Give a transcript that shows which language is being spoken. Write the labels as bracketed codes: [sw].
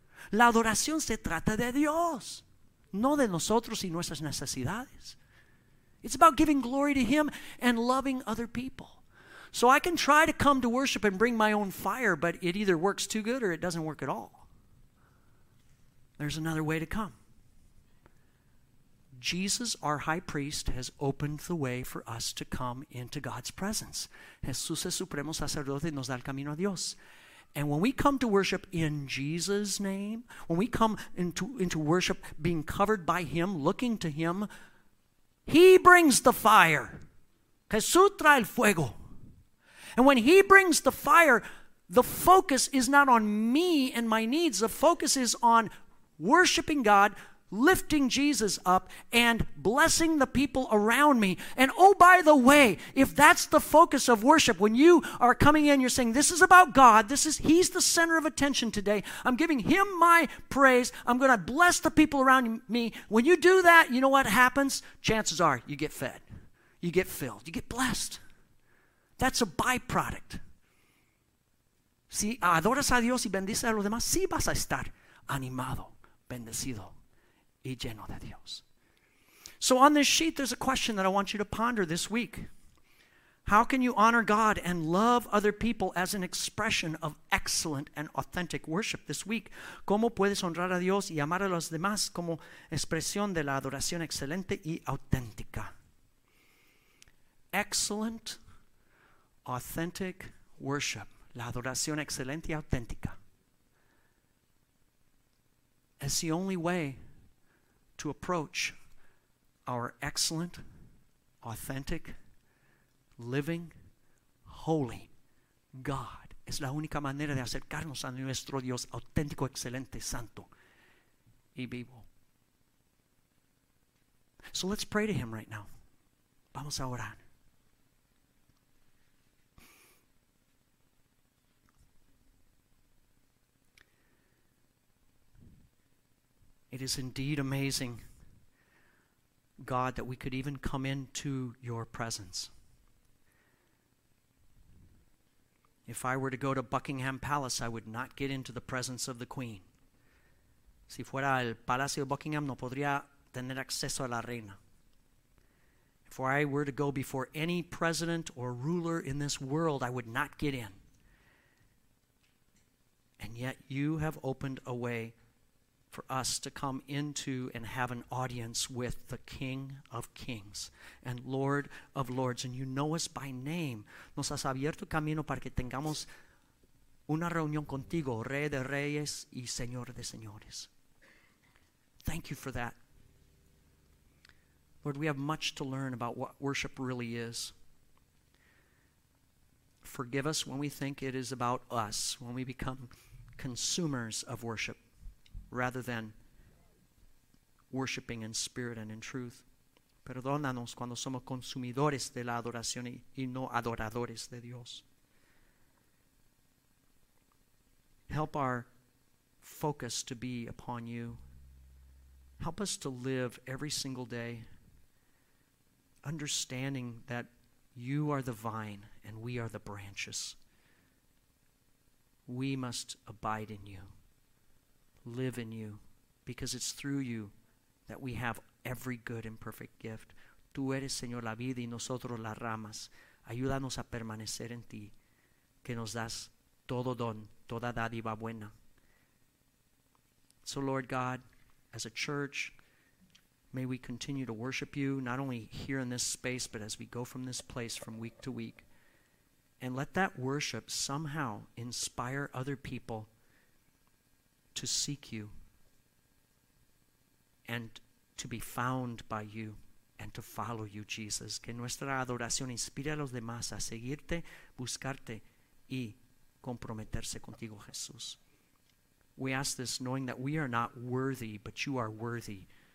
[es] La adoración se trata de Dios, no de nosotros y nuestras necesidades. [en] It's about giving glory to him and loving other people. So I can try to come to worship and bring my own fire, but it either works too good or it doesn't work at all. There's another way to come. Jesus, our high priest, has opened the way for us to come into God's presence. [es] Jesús es supremo sacerdote y nos da el camino a Dios. [en] And when we come to worship in Jesus' name, when we come into worship being covered by him, looking to him, he brings the fire. [es] Jesús trae el fuego. [en] And when he brings the fire, the focus is not on me and my needs. The focus is on worshiping God, lifting Jesus up and blessing the people around me. And oh, by the way, if that's the focus of worship, when you are coming in, you're saying, this is about God. He's the center of attention today. I'm giving him my praise. I'm going to bless the people around me. When you do that, you know what happens? Chances are you get fed. You get filled. You get blessed. That's a byproduct. [es] Si adoras a Dios y bendices a los demás, sí vas a estar animado, bendecido y lleno de Dios. [en] So on this sheet, there's a question that I want you to ponder this week. How can you honor God and love other people as an expression of excellent and authentic worship this week? [es] ¿Cómo puedes honrar a Dios y amar a los demás como expresión de la adoración excelente y auténtica? [en] Excellent, authentic worship. [es] La adoración excelente y auténtica. [en] It's the only way to approach our excellent, authentic, living, holy God. [es] Es la única manera de acercarnos a nuestro Dios auténtico, excelente, santo y vivo. [en] So let's pray to him right now. [es] Vamos a orar. [en] It is indeed amazing, God, that we could even come into your presence. If I were to go to Buckingham Palace, I would not get into the presence of the Queen. [es] Si fuera al Palacio de Buckingham, no podría tener acceso a la Reina. [en] If I were to go before any president or ruler in this world, I would not get in. And yet you have opened a way for us to come into and have an audience with the King of Kings and Lord of Lords. And you know us by name. [es] Nos has abierto camino para que tengamos una reunión contigo, Rey de Reyes y Señor de Señores. [en] Thank you for that. Lord, we have much to learn about what worship really is. Forgive us when we think it is about us, when we become consumers of worship, rather than worshiping in spirit and in truth. [es] Perdónanos cuando somos consumidores de la adoración y no adoradores de Dios. [en] Help our focus to be upon you. Help us to live every single day understanding that you are the vine and we are the branches. We must abide in you. Live in you, because it's through you that we have every good and perfect gift. [es] Tú eres, Señor, la vida y nosotros las ramas. Ayúdanos a permanecer en ti, que nos das todo don, toda dádiva buena. [en] So, Lord God, as a church, may we continue to worship you, not only here in this space, but as we go from this place from week to week. And let that worship somehow inspire other people to seek you and to be found by you and to follow you, Jesus. [es] Que nuestra adoración inspire a los demás a seguirte, buscarte y comprometerse contigo, Jesús. [en] We ask this knowing that we are not worthy, but you are worthy.